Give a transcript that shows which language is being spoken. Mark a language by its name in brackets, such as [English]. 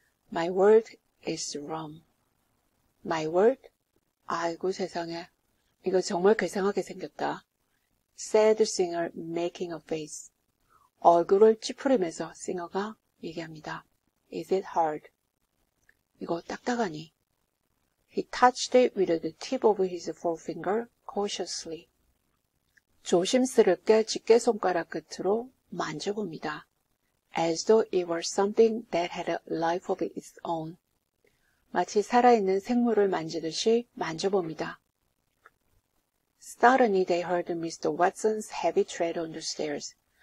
[English] My world is wrong. My world? [Korean] 아이고 세상에, 이거 정말 괴상하게 생겼다. [English] Said Singer making a face. [Korean] 얼굴을 찌푸리면서 싱어가 얘기합니다. [English] Is it hard? [Korean] 이거 딱딱하니? [English] He touched it with the tip of his forefinger cautiously. [Korean] 조심스럽게 집게손가락 끝으로 만져봅니다. [English] As though it were something that had a life of its own. [Korean] 마치 살아있는 생물을 만지듯이 만져봅니다. [English] Suddenly they heard Mr. Watson's heavy tread on the stairs.